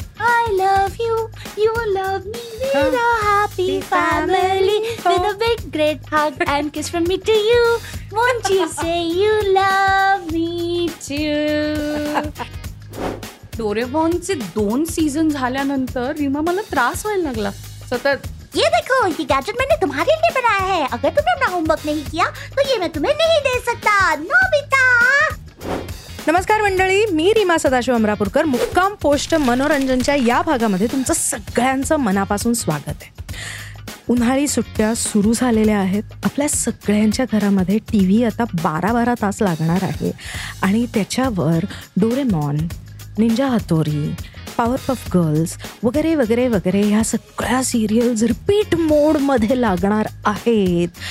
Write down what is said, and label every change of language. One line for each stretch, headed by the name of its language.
English: I love you, you love me, we're a happy family, with a big great hug and kiss from me to you, won't you say you love me too.
Marathi: डोरेमॉनचे 2 season झाल्यानंतर रीमा मला त्रास व्हायला लागला सतत.
Hindi: ये देखो ये gadget मैंने तुम्हारे लिए बनाया है, अगर तुमने अपना होमवर्क नहीं किया तो ये मैं तुम्हें नहीं दे सकता. नो बेटा.
Marathi: नमस्कार मंडळी, मी रीमा सदाशिव अमरापूरकर. मुक्काम पोस्ट मनोरंजनच्या या भागामध्ये तुमचं सगळ्यांचं मनापासून स्वागत आहे. उन्हाळी सुट्ट्या सुरू झालेल्या आहेत, आपल्या सगळ्यांच्या घरामध्ये टी व्ही आता 12-12 तास लागणार आहे आणि त्याच्यावर Doraemon, Ninja Hattori, Powerpuff girls वगैरे वगैरे वगैरे ह्या सगळ्या सिरियल्स रिपीट मोडमध्ये लागणार आहेत.